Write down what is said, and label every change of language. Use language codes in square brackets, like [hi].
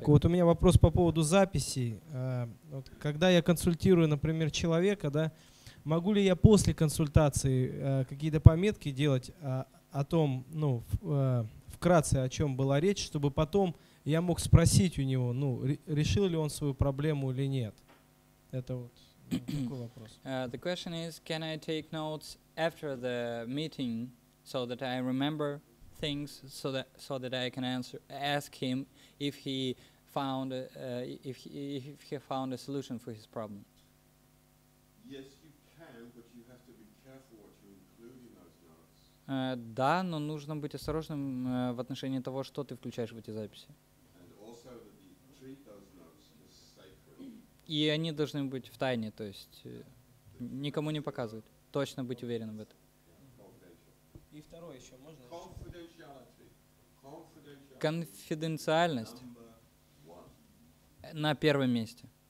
[ru] Так, вот у меня вопрос по поводу записи. Когда я консультирую, например, человека, да, могу ли я после консультации какие-то пометки делать о том, вкратце, о чем была речь, чтобы потом я мог спросить у него, решил ли он свою проблему или нет? Это вот такой вопрос. [en] The question is, can I take notes after the meeting so that I remember things so that I can ask him if he found a solution for his problem. Yes, you can, but you have to be careful what you include in those notes. [ru] Да, но нужно быть осторожным в отношении того, что ты включаешь в эти записи. [en] And also that you treat those notes as sacred. [ru] И они должны быть в тайне, то есть никому не показывать. Точно быть уверенным в этом. И второе еще можно? Конфиденциальность на первом месте.